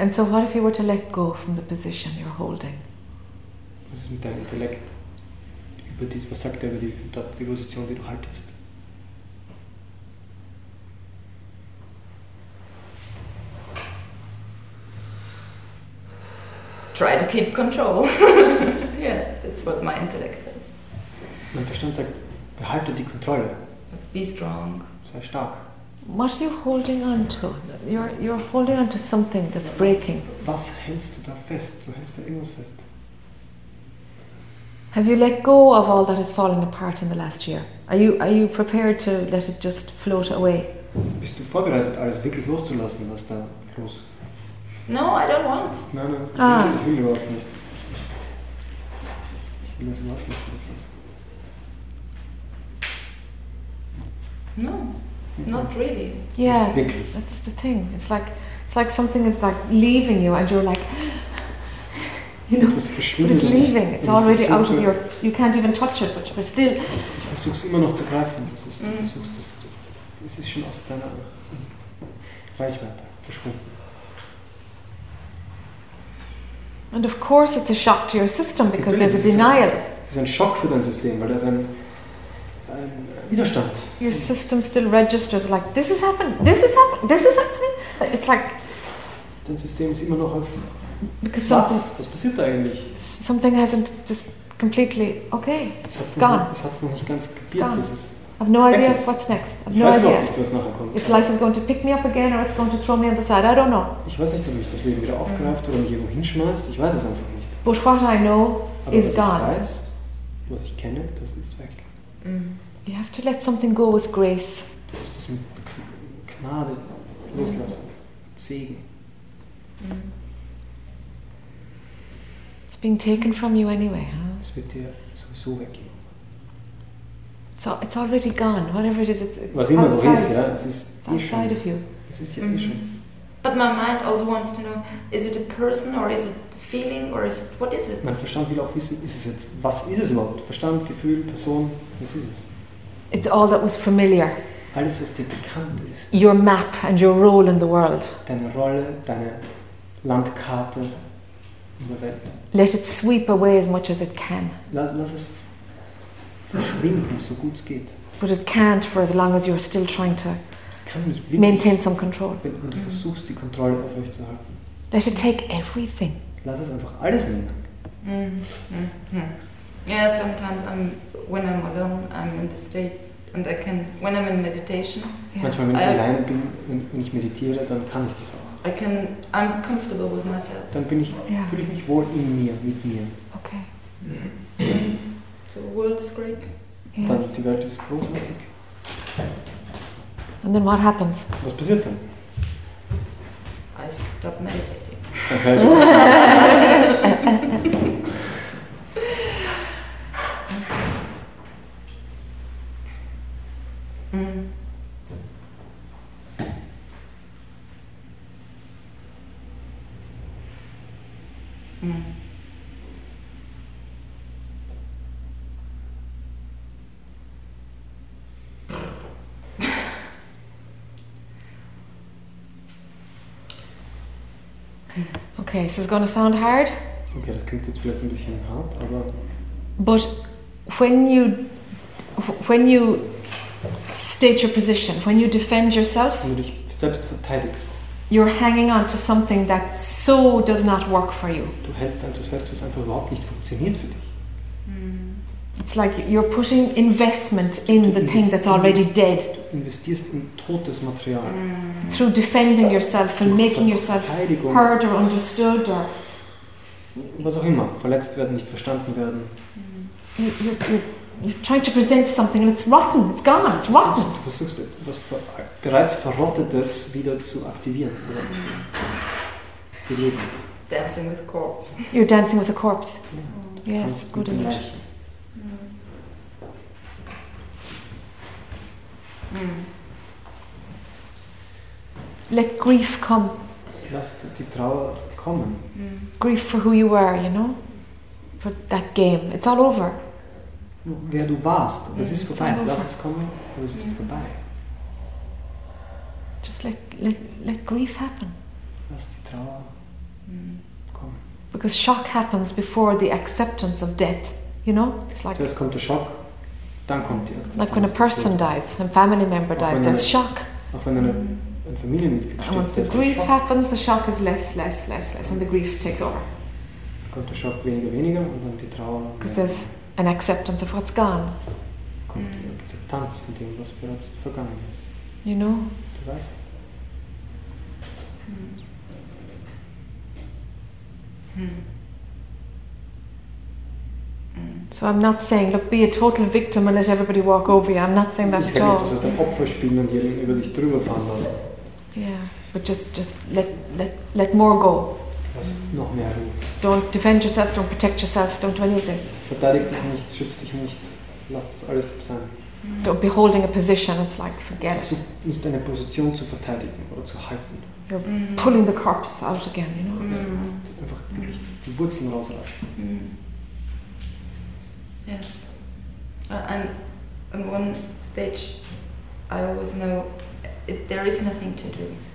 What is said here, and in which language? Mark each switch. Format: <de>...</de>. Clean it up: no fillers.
<en>And so what if you were to let go from the position you're holding?</en> <de>Was ist mit deinem Intellekt? Über dies, was sagt er über die Position, die du haltest?</de> <en>Try to keep control. Yeah, that's what my intellect says.</en> <de>Mein Verstand sagt, behalte die Kontrolle.</de> <en>Be strong.</en> <de>Sei stark.</de> <en>What are you holding on to? You're holding on to something that's breaking.</en> <de>Was hältst du da fest? Du hältst da irgendwas fest.</de> <en>Have you let go of all that is falling apart in the last year? Are you prepared to let it just float away?</en> <de>Bist du vorbereitet, alles wirklich loszulassen, was da los ist?</de> <en>No, I don't want.</en> <de>Nein, ich will überhaupt nicht. Ich will das überhaupt nicht loslassen.</de> <en>No, not really. Yeah, that's the thing. It's like something is like leaving you, and you're like, you know, but it's leaving. It's already out of your. You can't even touch it, but you're still.</en> <de>Ich versuch's immer noch zu greifen. Das ist, du versuchst das. Das ist schon aus deiner Reichweite verschwunden.</de> <en>And of course, it's a shock to your system because there's a denial.</en> <de>Es ist ein Schock für dein System, weil da ist ein Widerstand.</de> <en>Your system still registers like this is happening, this is happening, this is happening. It's like.</en> <de>Dein System ist immer noch auf.</de> <en>Because something.</en> <de>Was passiert da eigentlich?</de> <en>Something hasn't just completely okay. It's gone.</en> <de>Es hat's noch nicht ganz kapiert.</de> <en>I have no idea what's next. I have no idea.</en> <de>Ich weiß nicht, was nachher kommt.</de> <en>If life is going to pick me up again or it's going to throw me on the side, I don't know.</en> <de>Ich weiß nicht, ob mich das Leben wieder aufgreift oder mich irgendwo hinschmeißt. Ich weiß es einfach nicht.</de> <en>But what I know is gone.</en> <de>Aber was ich weiß, was ich kenne, das ist weg.</de> <en>You have to let something go with grace.</en> <de>Du musst das mit Gnade loslassen, Segen.</de> <en>It's being taken from you anyway, huh?</en> <de>Es wird dir sowieso weggenommen.</de> <en>So it's already gone. Whatever it is, it's</en> <de>was immer so ist, ja, es ist</de> <en>outside</en> <de>eh schon.</de> <en>Of you.</en> <de>Es ist ja eh schon.</de> <en>But my mind also wants to know: is it a person or is it a feeling or is it what is it?</en> <de>Mein Verstand will auch wissen: ist es jetzt was ist es überhaupt? Verstand, Gefühl, Person, was ist es?</de> <en>It's all that was familiar.</en> <de>Alles, was dir bekannt ist.</de> <en>Your map and your role in the world.</en> <de>Deine Rolle, deine Landkarte in der Welt.</de> <en>Let it sweep away as much as it can.</en> <de>Lass es verschwinden, so gut es geht.</de> <en>But it can't for as long as you're still trying to maintain some control.</en> <de>Wenn du versuchst, die Kontrolle auf euch zu halten.</de> <en>Let it take everything.</en> <de>Lass es einfach alles nehmen.</de> <en>Yeah, sometimes when I'm alone, I'm in the state, and I can, when I'm in meditation.</en> <de>Manchmal, wenn ich alleine bin, wenn ich meditiere, dann kann ich das auch.</de> <en>I'm comfortable with myself.</en> <de>Dann bin ich, fühle ich mich wohl in mir, mit mir.</de> <en>Okay. So the world is great. Yes.</en> <de>Dann die Welt ist großartig.</de> <en>And then what happens?</en> <de>Was passiert dann?</de> <en>I stop meditating. Okay. Okay, is this going to sound hard?</en> <de>Okay, das klingt jetzt vielleicht ein bisschen hart, aber...</de> <en>But when you state your position, when you defend yourself,</en> <de>wenn du dich selbst verteidigst,</de> <en>you're hanging on to something that so does not work for you.</en> <de>Du hältst an etwas fest, was einfach überhaupt nicht funktioniert für dich.</de> <en>It's like you're putting investment in the thing that's already dead.</en> <de>Du investierst in totes Material.</de> <en>Through defending yourself and making yourself heard or understood or...</en> <de>Was auch immer, verletzt werden, nicht verstanden werden.</de> <en>You're trying to present something and it's rotten, it's gone, it's rotten.</en> <de>Du versuchst etwas bereits Verrottetes wieder zu aktivieren. Beleben.</de> <en>Dancing with a corpse. You're dancing with a corpse. Yeah. Yes, good image. Let grief come.</en> <de>Lass die Trauer kommen.</de> <en>Grief for who you were, you know? For that game. It's all over.</en> <de>Wer du warst, das ist vorbei. Lass es kommen, und es ist vorbei.</de> <en>Just let grief happen.</en> <de>Lass die Trauer kommen.</de> <en>Because shock happens before the acceptance of death, you know? It's like</en> <de>zuerst kommt der Schock, dann kommt die Akzeptanz.</de> <en>Like when a person dies, a family member dies, there's shock.</en> <de>Auch wenn ein Familienmitglied stirbt,</de> <en>and once the grief happens, the shock is less, and the grief takes over.</en> <de>Kommt der Schock weniger, und dann die Trauer.</de> <en>Because there's an acceptance of what's gone.</en> <de>Kommt die Akzeptanz von dem, was bereits vergangen ist.</de> <en>You know?</en> <de>Du weißt.</de> <en>So I'm not saying, look, be a total victim and let everybody walk over you. I'm not saying that at all.</en> <de>Ich sage jetzt, dass du Opfer spielen und jeden über dich drüber fahren lassen.</de> <en>Yeah, but just let more go.</en> <de>Lass noch mehr Ruhe.</de> <en>Don't defend yourself, don't protect yourself, don't do any of this.</en> <de>Verteidig dich nicht, schütz dich nicht, lass das alles sein.</de> <en>Don't be holding a position, it's like, forget it.</en> <de>Versuch nicht deine Position zu verteidigen oder zu halten.</de> <en>You're pulling the corpse out again, you know.</en> <de>Einfach wirklich die Wurzeln rausreißen.</de> <en>Yes. And on one stage I always know it, there is nothing to do.</en>